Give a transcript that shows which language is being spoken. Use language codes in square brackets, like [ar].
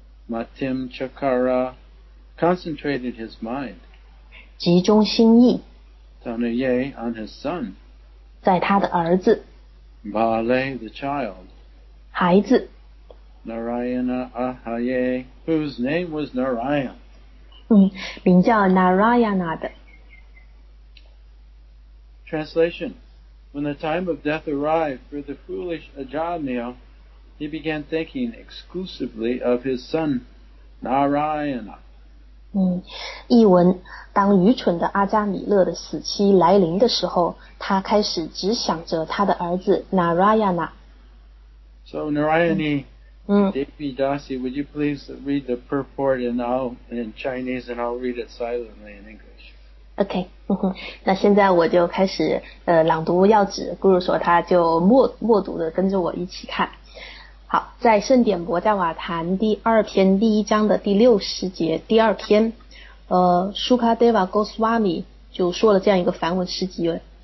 [sa] Matim Chakara [en] concentrated his mind. [zh] 集中心意. [en] Tanaye on his son. [zh] 在他的儿子。 [en] Bale, the child. [zh] 孩子。 [en] Narayana Ahaye, whose name was Narayan. [zh] 嗯，名叫 Narayana 的。 [en] Translation. When the time of death arrived for the foolish Ajanya, he began thinking exclusively of his son, Narayana. [zh] 嗯，译文，当愚蠢的阿加米勒的死期来临的时候，他开始只想着他的儿子 Narayana. [en] So Narayani, Devi Dasi, would you please read the purport in Chinese and I'll read it silently in English. [zh] OK, 那现在我就开始朗读要旨，Guru说他就默读的跟着我一起看。好，在圣典博加瓦坛第二篇第一章的第六十节第二篇，Sukadeva Goswami 就说了这样一个梵文诗集，